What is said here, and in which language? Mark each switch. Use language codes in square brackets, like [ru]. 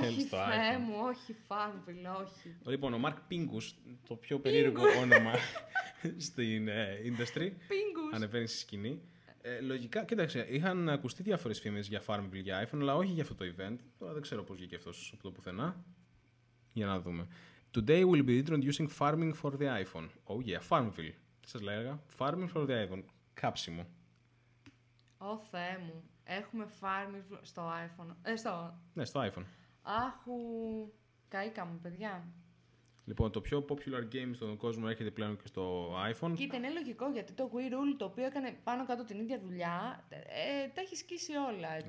[el] Όχι, Θεέ μου, όχι Farmville, όχι. Λοιπόν, ο Mark Pingus, το πιο περίεργο όνομα στην industry. Pingus. Ανεβαίνει στη σκηνή. Λογικά, κοίταξε, είχαν ακουστεί διάφορες φήμες για Farmville για iPhone, αλλά όχι για αυτό το event. Τώρα δεν ξέρω πώς βγήκε αυτός από το πουθενά. Για να δούμε. [en] Today we'll be introducing farming for the iPhone. Oh yeah, Farmville. [el] Τι σας λέγα, [en] farming for the iPhone. [el] Κάψιμο. Ω Θεέ μου, έχουμε farming στο iPhone. Ναι, στο iPhone. Αχου, καήκαμε παιδιά. Λοιπόν, το πιο popular game στον κόσμο έρχεται πλέον και στο iPhone. Κοίτα, είναι λογικό γιατί το Wii Rule, το οποίο έκανε πάνω κάτω την ίδια δουλειά, τα έχει σκίσει όλα, έτσι.